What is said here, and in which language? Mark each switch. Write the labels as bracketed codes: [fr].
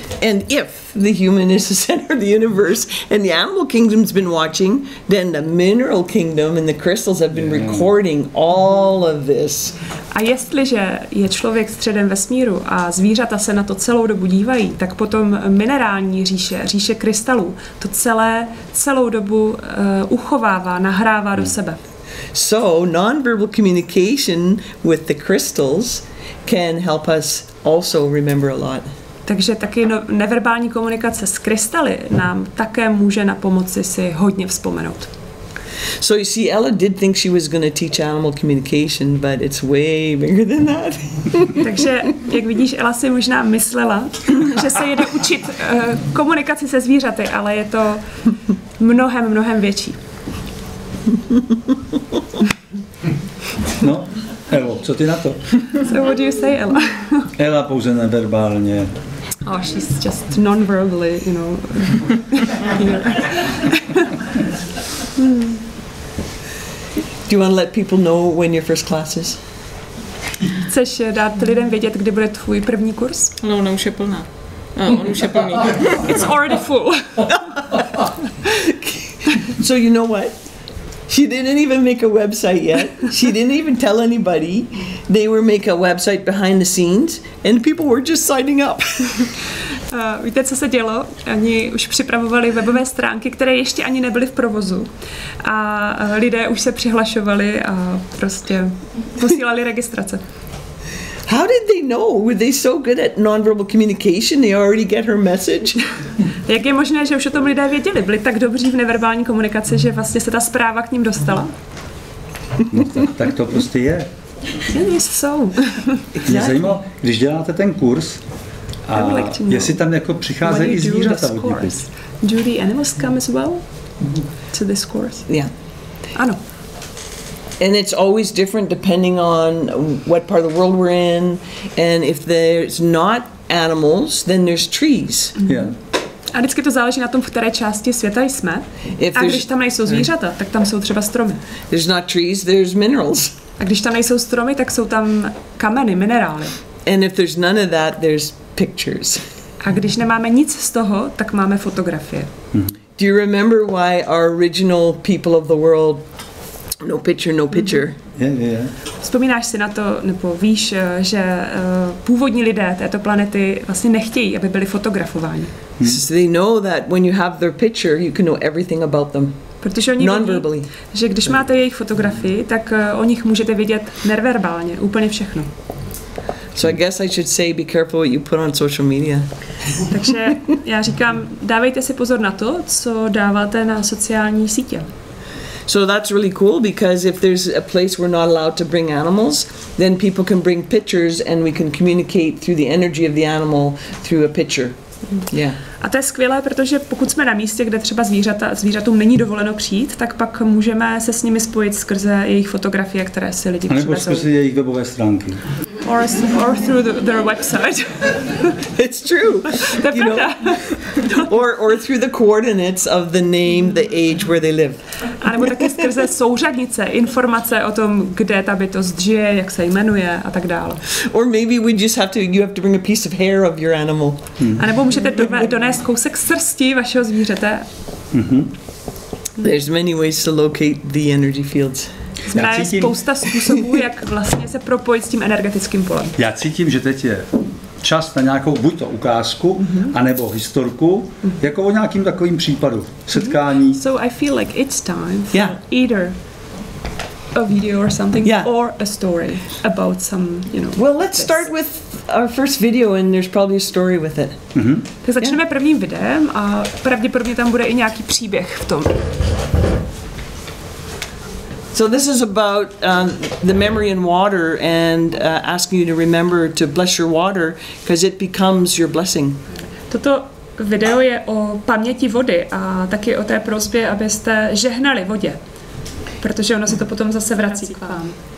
[en] And if the human is the center of the universe and the animal kingdom's been watching, then the mineral kingdom and the crystals have been recording all of this. [cs] A jestliže je člověk středem vesmíru a zvířata se na to celou dobu dívají, tak potom minerální říše, říše krystalů, to celou dobu uchovává, nahrává do sebe. [en] So, non-verbal communication with the crystals can help us also remember a lot. [cs] Takže taky neverbální komunikace s krystaly nám také může na pomoci si hodně vzpomenout. [en] So you see, Ella did think she was going to teach animal communication, but it's way bigger than that. [cs] Takže, jak vidíš, Ella si možná myslela, že se jede učit komunikaci se zvířaty, ale je to mnohem, mnohem větší. No, Ella, co ty na to? [en] So what do you say, Ella? [cs] Ella pouze neverbálně. [en] Oh, she's just non-verbally, you know. Do you want to let people know when your first class is? [cs] Chceš dát lidem vědět, kdy bude tvůj první kurz? No, ona už je plná. On už je plný. [en] It's already full. So you know what? She didn't even make a website yet. She didn't even tell anybody. They were making a website behind the scenes and people were just signing up. [cs] Víte, co se dělo? Oni už připravovali webové stránky, které ještě ani nebyly v provozu. A lidé už se přihlašovali a prostě posílali registrace. [en] How did they know? Were they so good at nonverbal communication? They already get her message? [cs] Jak je možné, že už o tom lidé věděli? Byli tak dobří v neverbální komunikaci, že vlastně se ta zpráva k ním dostala? No, tak to prostě je. Jsou. Mě zajímalo, když děláte ten kurz, a like jestli tam jako přicházejí i zvířata od nich. [en] Do the animals come as well to this course? Yeah. [cs] Ano. [en] And it's always different depending on what part of the world we're in. And if there's not animals, then there's trees. Yeah. [cs] A vždycky to záleží na tom, v které části světa jsme. If a když tam nejsou zvířata, tak tam jsou třeba stromy. [en] There's not trees, there's minerals. [cs] A když tam nejsou stromy, tak jsou tam kameny, minerály. [en] And if there's none of that, there's pictures. [cs] A když nemáme nic z toho, tak máme fotografie. [en] Do you remember why our original people of the world no picture, no picture? Yeah. [cs] Vzpomínáš si na to, nebo víš, že původní lidé této planety vlastně nechtějí, aby byli fotografováni. [en] So they know that when you have their picture, you can know everything about them. [cs] Protože oni vědí, že když máte jejich fotografii, tak o nich můžete vidět neverbálně, úplně všechno. [en] So I guess I should say be careful what you put on social media. [cs] Takže já říkám, dávejte si pozor na to, co dáváte na sociální sítě. [en] So that's really cool because if there's a place we're not allowed to bring animals, then people can bring pictures and we can communicate through the energy of the animal through a picture. Yeah. [cs] A to je skvělé, protože pokud jsme na místě, kde třeba zvířatům není dovoleno přijít, tak pak můžeme se s nimi spojit skrze jejich fotografie, které si lidi přinesou. A nebo skrze jejich webové stránky. [en] Or through their website. It's true. [cs] To je pravda. [en] Or through the coordinates of the name, the age, where they live. [cs] A nebo taky skrze souřadnice, informace o tom, kde ta bytost žije, jak se jmenuje a tak dále. [en] Or maybe we just have to, you have to bring a piece of hair of your animal. [cs] A nebo můžete donést kousek srsti vašeho zvířete. [en] There's many ways to locate the energy fields. [cs] Je spousta způsobů, jak vlastně se propojit s tím energetickým polem. Já cítím, že teď je čas na nějakou buď to ukázku, anebo historku, jako o nějakým takovým případu, setkání. [en] So I feel like it's time for either a video or something, or a story about some, you know. Well, let's start with our first video and there's probably a story with it. [cs] Tak začneme prvním videem a pravděpodobně tam bude i nějaký příběh v tom. [en] So this is about the memory in water and asking you to remember to bless your water because it becomes your blessing. [cs] Toto video je o paměti vody a taky o té prosbě, abyste žehnali vodě, protože ono se to potom zase vrací k vám.